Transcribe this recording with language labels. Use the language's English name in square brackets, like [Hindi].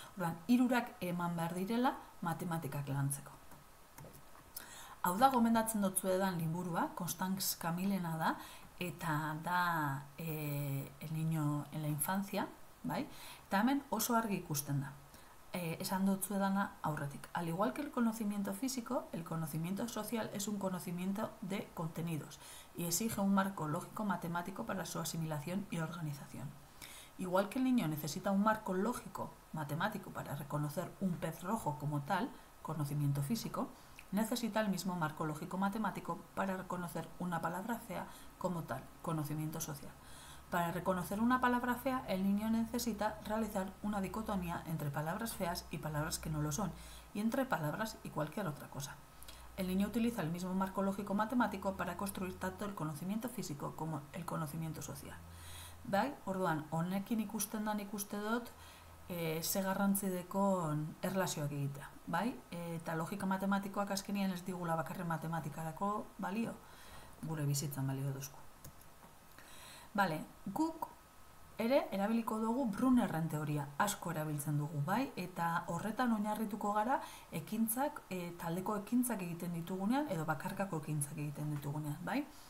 [Basque] Ordan, hirurak eman behar direla matematikak lantzeko. Hau da, gomendatzen dut zuedan liburua, Constance Camillena da, eta da El niño en la infancia, bai? Eta hemen oso argi ikusten da. Esan dut zuedana aurretik. [Spanish] Al igual que el conocimiento físico, el conocimiento social es un conocimiento de contenidos y exige un marco lógico-matemático para su asimilación y organización. Igual que el niño necesita un marco lógico-matemático para reconocer un pez rojo como tal, conocimiento físico, necesita el mismo marco lógico-matemático para reconocer una palabra fea como tal, conocimiento social. Para reconocer una palabra fea, el niño necesita realizar una dicotomía entre palabras feas y palabras que no lo son, y entre palabras y cualquier otra cosa. El niño utiliza el mismo marco lógico-matemático para construir tanto el conocimiento físico como el conocimiento social. [Basque] ¿Bai? Orduan, honekin ikusten dan ikuste dut, ze garrantzidekon erlazioak egitea. ¿Bai? Eta logika matematikoak azkenien ez digula bakarren matematikarako balio, gure bizitzan balio duzku. Vale, guk ere erabiliko dugu Brunnerren teoria, asko erabiltzen dugu, bai, eta horretan oinarrituko gara ekintzak, taldeko ekintzak egiten ditugunean edo bakarkako ekintzak egiten ditugunean, bai?